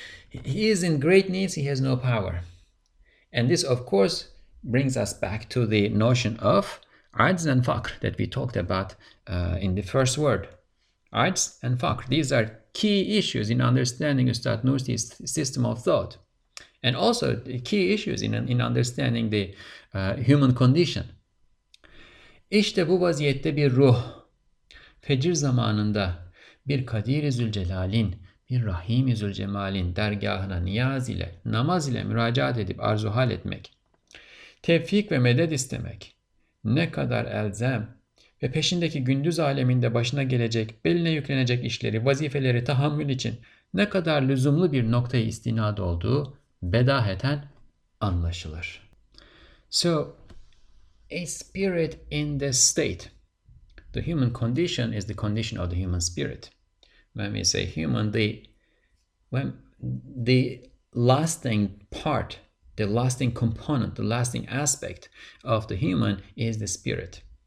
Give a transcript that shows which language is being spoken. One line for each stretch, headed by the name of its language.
English: He is in great need. He has no power. And this, of course, brings us back to the notion of ajz and faqr that we talked about in the first word. Ajz and faqr. These are key issues in understanding Ustad Nursi's system of thought. And also key issues in understanding the human condition.
Turkish: İşte bu vaziyette bir ruh, fecir zamanında bir Kadir-i Zülcelal'in, bir Rahim-i Zülcemal'in dergahına niyaz ile, namaz ile müracaat edip arzuhal etmek, tevfik ve medet istemek, ne kadar elzem ve peşindeki gündüz aleminde başına gelecek, beline yüklenecek işleri, vazifeleri tahammül için ne kadar lüzumlu bir noktaya istinad olduğu bedaheten anlaşılır.
English: So, a spirit in this state. The human condition is the condition of the human spirit. When we say human, the lasting part, the lasting component, the lasting aspect of the human is the spirit.